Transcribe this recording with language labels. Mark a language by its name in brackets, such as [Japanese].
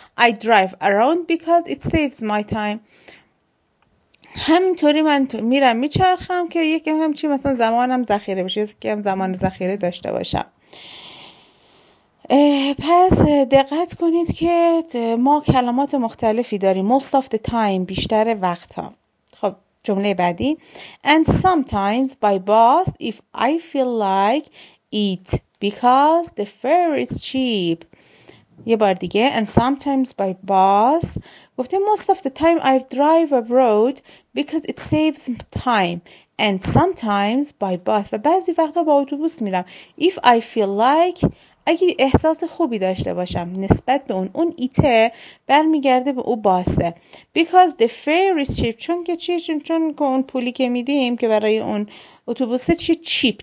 [English] I drive around because it saves my time. [Persian] همینطوری من میرم میچرخم که یکم همچی مثلا زمانم ذخیره بشه. یکی هم زمان ذخیره داشته باشم. پس دقت کنید که ما کلمات مختلفی داریم. [English] Most of the time، [Persian] بیشتر وقت ها. خب جمله بعدی، [English] And sometimes by bus if I feel like it because the fare is cheap. [Persian] یه بار دیگه، [English] And sometimes by bus. [Persian] گفته [English] most of the time I drive abroad because it saves time. And sometimes by bus. [Persian] و بعضی وقتا با اتوبوس میرم. [English] If I feel like، [Persian] اگه احساس خوبی داشته باشم نسبت به اون، اون ایته برمیگرده به او باسه. [English] Because the fare is cheap. [Persian] چون که چی؟ چون که اون پولی که میدیم که برای اون اتوبوسه چی؟ چیپ.